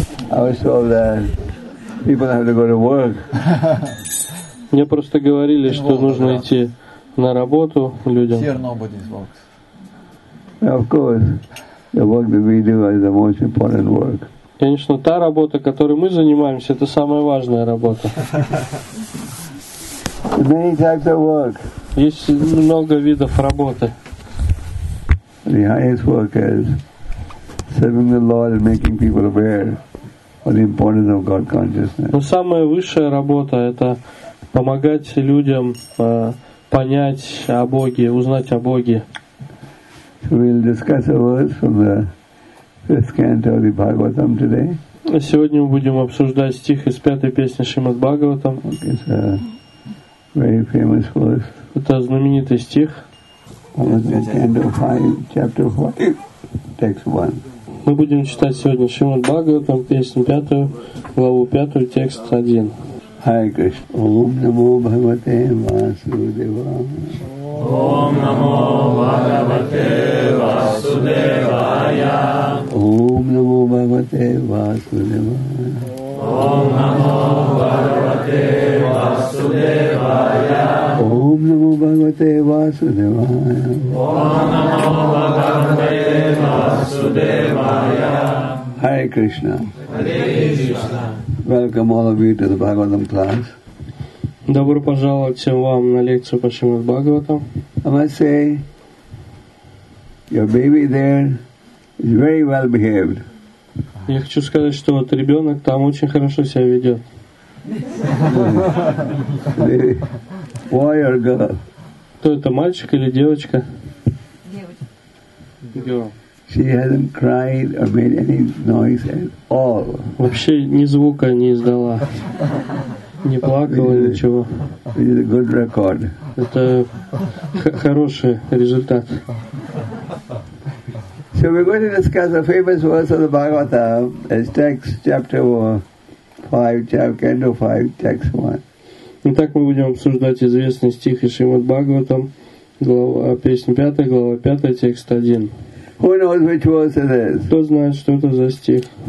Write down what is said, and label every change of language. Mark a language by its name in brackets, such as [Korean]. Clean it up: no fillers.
[English] I was told that people have to go to work. [Russian] Мне просто говорили, что нужно идти на работу людям. [English] Of course, the work that we do is the most important work. [Russian] Конечно, та работа, которой мы занимаемся, это самая важная работа. [English] Many types of work. [Russian] Есть много видов работы. [English] The highest work is serving the Lord and making people aware of the importance of God consciousness. [Russian] Но самая высшая работа – это помогать людям понять о Боге, узнать о Боге. [English] So we'll discuss a word from the fifth canto of the Bhagavatam today. [Russian] Сегодня мы будем обсуждать стих из пятой песни Шримад Бхагаватам. [English] It's a very famous verse. [Russian] Это знаменитый стих. [English] Canto 5, chapter 5, text 1. [Russian] Мы будем читать сегодня Шримад Бхагаватам, песню пятую, главу пятую, текст 1. [Sanskrit] Hare Krishna. Om Namo Bhagavate Vasudevaya. Om Namo Bhagavate Vasudevaya. Om Namo Bhagavate Vasudevaya. Om Namo Bhagavate Vasudevaya. Om Namo Bhagavate Vasudevaya. Om Namo Bhagavate Vasudevaya. Hare Krishna. Hare Krishna. [English] Welcome all of you to the Bhagavatam class. [Russian] Добро пожаловать всем вам на лекцию по Шримад Бхагаватам. [English] I must say, your baby there is very well behaved. [Russian] Я хочу сказать, что вот ребенок там очень хорошо себя ведет. [English] Boy or girl? [Russian] Кто это, мальчик или девочка? Девочка. [English] Girl. She hasn't cried or made any noise at all. [Russian] Вообще ни звука не издала. Не плакала, ничего. [English] This is a good record. [Russian] Это хороший результат. [English] So we're going to discuss the famous verse of the Bhagavatam as text chapter 5, canto 5, text 1. [Russian] Итак, мы будем обсуждать известный стих из Шримад Бхагаватам, песня 5, глава 5, текст 1. [English] Who knows which verse it is? [Russian] Кто знает, что это за стих?